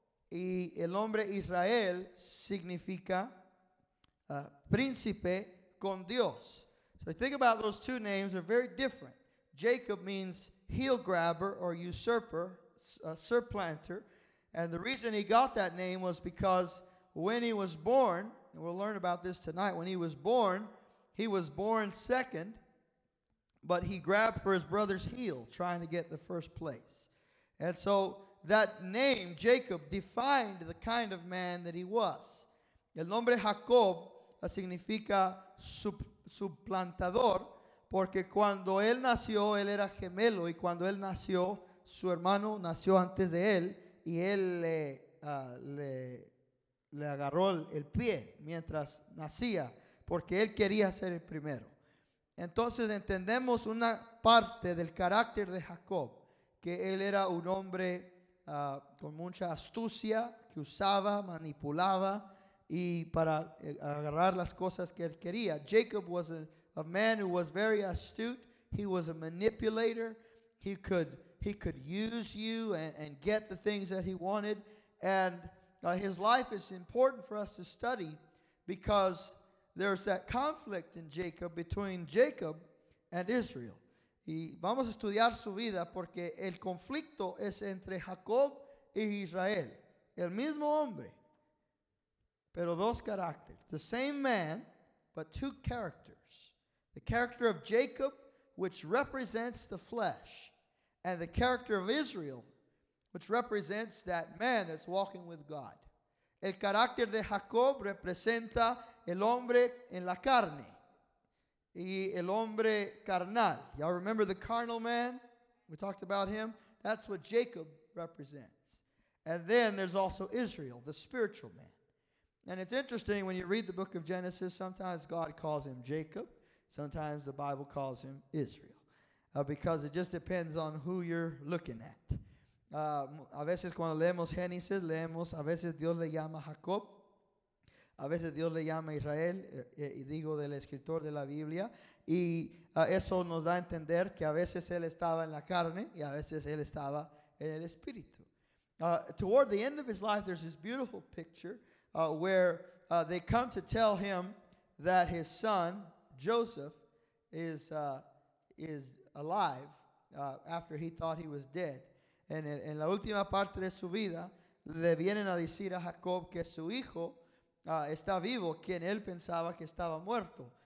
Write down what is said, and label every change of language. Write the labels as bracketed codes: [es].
[es] Y el nombre Israel significa príncipe con Dios. [en] So think about those two names, they're very different. Jacob means heel grabber or usurper, surplanter. And the reason he got that name was because when he was born, and we'll learn about this tonight, when he was born second, but he grabbed for his brother's heel trying to get the first place. And so that name, Jacob, defined the kind of man that he was. [es] El nombre Jacob significa suplantador, porque cuando él nació, él era gemelo, y cuando él nació, su hermano nació antes de él, y él le agarró el pie mientras nacía, porque él quería ser el primero. Entonces entendemos una parte del carácter de Jacob, que él era un hombre con mucha astucia, que usaba, manipulaba, y para agarrar las cosas que él quería. [en] Jacob was a man who was very astute. He was a manipulator. He could use you and get the things that he wanted. And his life is important for us to study because there's that conflict in Jacob between Jacob and Israel. [es] Y vamos a estudiar su vida porque el conflicto es entre Jacob e Israel. El mismo hombre, pero dos caracteres. [en] The same man, but two characters. The character of Jacob, which represents the flesh. And the character of Israel, which represents that man that's walking with God. [es] El carácter de Jacob representa el hombre en la carne. Y el hombre carnal. [en] Y'all remember the carnal man? We talked about him. That's what Jacob represents. And then there's also Israel, the spiritual man. And it's interesting when you read the book of Genesis, sometimes God calls him Jacob. Sometimes the Bible calls him Israel. Because it just depends on who you're looking at. [es] A veces cuando leemos Génesis, leemos, a veces Dios le llama Jacob. A veces Dios le llama Israel, y digo del escritor de la Biblia, y eso nos da a entender que a veces él estaba en la carne y a veces él estaba en el espíritu. [en] Toward the end of his life, there's this beautiful picture where they come to tell him that his son, Joseph, is alive after he thought he was dead. And [es] en la última parte de su vida, le vienen a decir a Jacob que su hijo está vivo, quien él pensaba que estaba muerto.